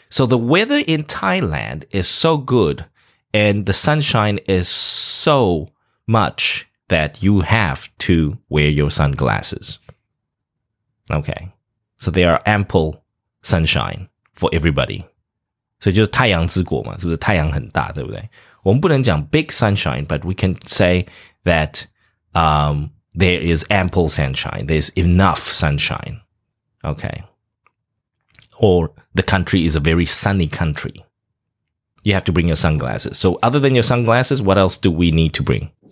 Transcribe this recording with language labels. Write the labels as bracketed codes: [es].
[en] So the weather in Thailand is so good and the sunshine is so much that you have to wear your sunglasses. Okay, so there are ample sunshine for everybody. [zh] 所以就是太阳之国嘛，是不是太阳很大，对不对？我们不能讲 [en] big sunshine, but we can say that there is ample sunshine. There's enough sunshine. Okay. Or the country is a very sunny country. You have to bring your sunglasses. So other than your sunglasses, what else do we need to bring?